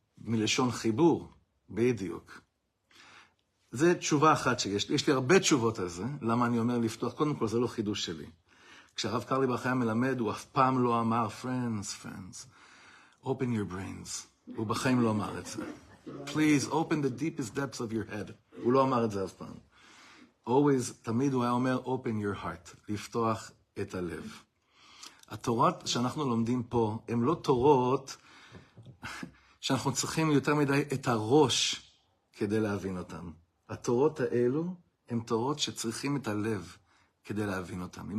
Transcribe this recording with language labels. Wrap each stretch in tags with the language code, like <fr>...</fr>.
<he>מלשון חיבור, בדיוק. זה תשובה אחת שיש לי. יש לי הרבה תשובות על זה. למה אני אומר לפתוח? קודם כל, זה לא חידוש שלי. כשהרב קרלי ברוך היה מלמד, הוא אף פעם לא אמר,</he> <en>friends, open your brains.</en> <he>הוא בחיים לא אמר את זה.</he> <en>Please, open the deepest depths of your head.</en> <he>הוא לא אמר את זה אף פעם.</he> <en>Always,</en> <he>תמיד הוא היה אומר,</he> <en>open your heart,</en> <he>לפתוח את הלב. התורות שאנחנו לומדים פה, הן לא תורות שאנחנו צריכים יותר מדי את הראש כדי להבין אותן. התורות האלו הן תורות שצריכים את הלב כדי להבין אותן.</he>